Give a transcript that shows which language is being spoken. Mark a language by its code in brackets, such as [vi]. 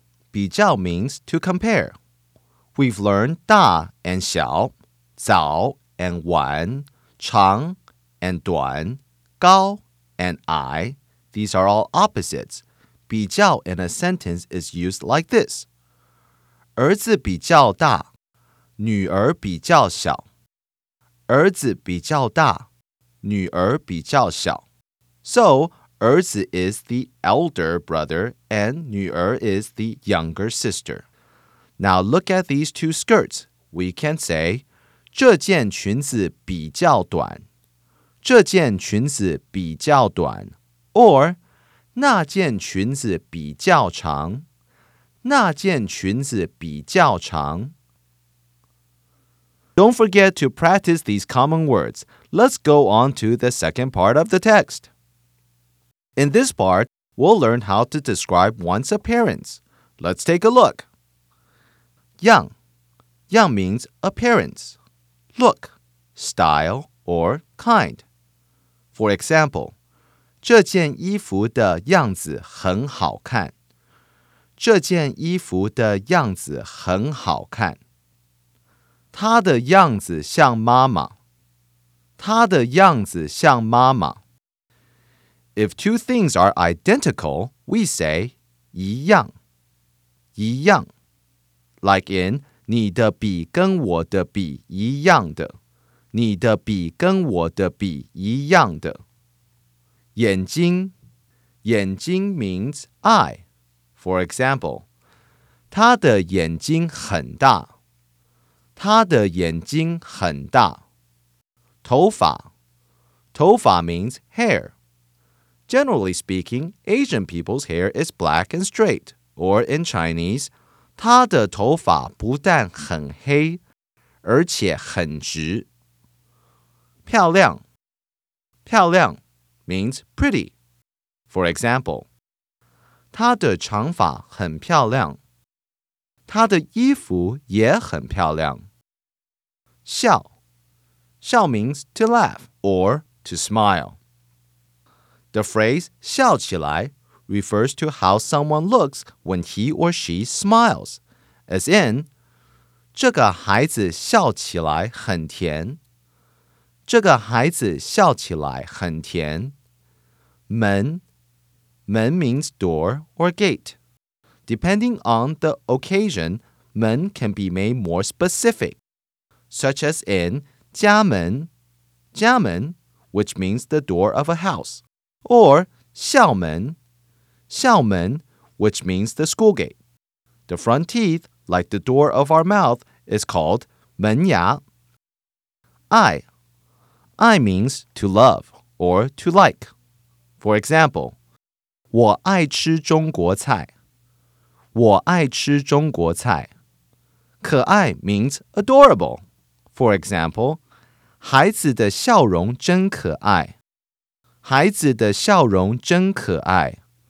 [en] 比较 means to compare. We've learned 大 and 小, 早 and 晚, 长 and 短, 高 and 矮, these are all opposites. 比较 in a sentence is used like this. [zh] 儿子比较大,女儿比较小。儿子比较大,女儿比较小。 [en] So, 儿子 is the elder brother and 女儿 is the younger sister. Now look at these two skirts. We can say, [zh] 这件裙子比较短。这件裙子比较短。Or, 那件裙子比较长。那件裙子比较长。 [en] Don't forget to practice these common words. Let's go on to the second part of the text. In this part, we'll learn how to describe one's appearance. Let's take a look. 样, 样 means appearance. Look, style or kind. For example, [zh] 这件衣服的样子很好看。这件衣服的样子很好看。她的样子像妈妈。她的样子像妈妈。 [en] If two things are identical, we say 一样。一样。 Like in, [zh] 你的笔跟我的笔一样的。你的笔跟我的笔一样的。眼睛。 [en] 眼睛 means eye. For example, [zh] 她的眼睛很大。他的眼睛很大。头发。 [en] 头发 means hair. Generally speaking, Asian people's hair is black and straight. Or in Chinese, [zh] 他的头发不但很黑,而且很直。漂亮。 [en] 漂亮 means pretty. For example, [zh] 他的长发很漂亮。他的衣服也很漂亮。 [en] 笑, 笑 means to laugh or to smile. The phrase 笑起来 refers to how someone looks when he or she smiles, as in [zh] 这个孩子笑起来很甜。这个孩子笑起来很甜。 [en] 门, 门 means door or gate. Depending on the occasion, 门 can be made more specific. Such as in 家门, 家门, which means the door of a house, or 校门, 校门, which means the school gate. The front teeth, like the door of our mouth, is called 门牙. I means to love or to like. For example, [zh] 我爱吃中国菜。我爱吃中国菜。 [en] 可爱 means adorable. For example, [zh] 孩子的笑容真可爱。孩子的笑容真可爱。